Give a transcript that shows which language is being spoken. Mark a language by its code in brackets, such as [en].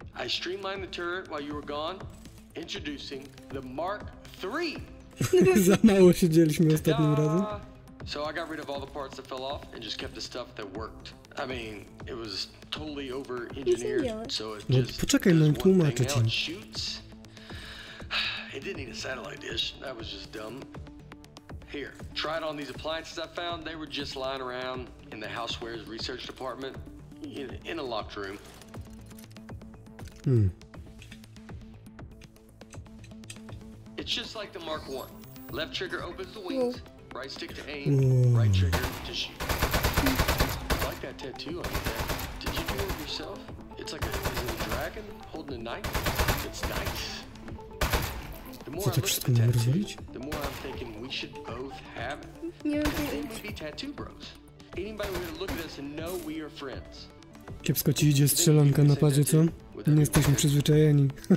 [en] I streamlined the turret while you were gone. Introducing the Mark 3. [pl] Za mało siedzieliśmy ostatnim razem. [en] So I got rid of all the parts that fell off and just kept the stuff that worked. I mean, it was totally over engineered. So it just [pl] poczekaj, [en] does one thing now it shoots. It didn't need a satellite dish. That was just dumb. Here, try it on these appliances I found. They were just lying around in the housewares research department, in a locked room. It's just like the Mark 1. Left trigger opens the wings, right stick to aim, right trigger to shoot. I like that tattoo on your neck. Did you do it yourself? It's like a dragon holding a knife. It's nice. The more I look at the tattoo, the more I'm thinking we should both have it. Yeah, they would be tattoo bros. Anybody would look at us and know we are friends. [pl] Kiepsko ci idzie strzelanka na padzie, co? Nie jesteśmy przyzwyczajeni.